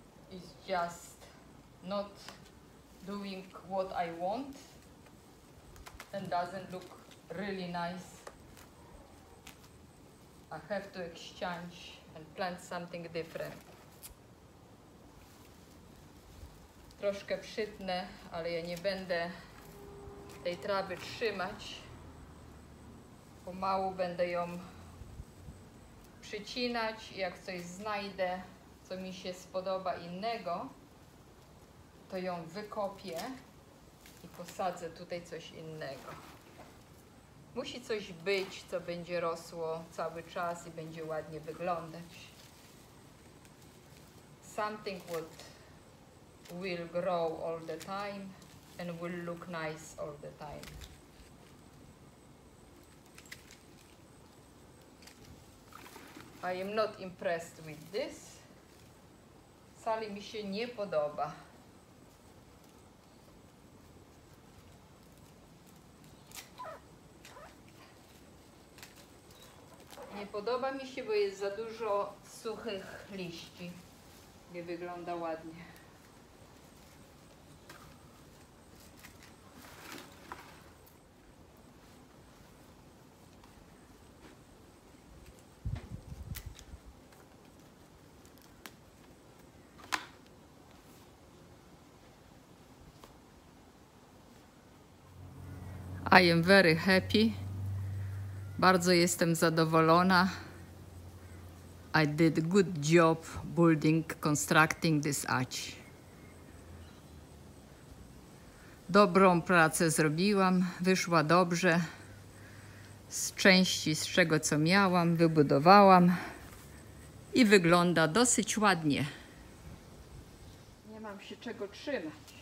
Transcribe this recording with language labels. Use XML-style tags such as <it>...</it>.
<en>It's just not doing what I want. And doesn't look really nice. I have to exchange and plant something different.</en> <pl>Troszkę przytnę, ale ja nie będę tej trawy trzymać. Pomału będę ją przycinać. Jak coś znajdę, co mi się spodoba innego, to ją wykopię i posadzę tutaj coś innego. Musi coś być, co będzie rosło cały czas i będzie ładnie wyglądać.</pl> <en>Something would will grow all the time and will look nice all the time. I am not impressed with this.</en> <pl>Wcale mi się nie podoba. Nie podoba mi się, bo jest za dużo suchych liści. Nie wygląda ładnie.</pl> <en>I am very happy.</en> <pl>Bardzo jestem zadowolona.</pl> <en>I did a good job building, constructing this arch.</en> <pl>Dobrą pracę zrobiłam, wyszła dobrze. Z części, z czego co miałam, wybudowałam. I wygląda dosyć ładnie. Nie mam się czego trzymać.</pl>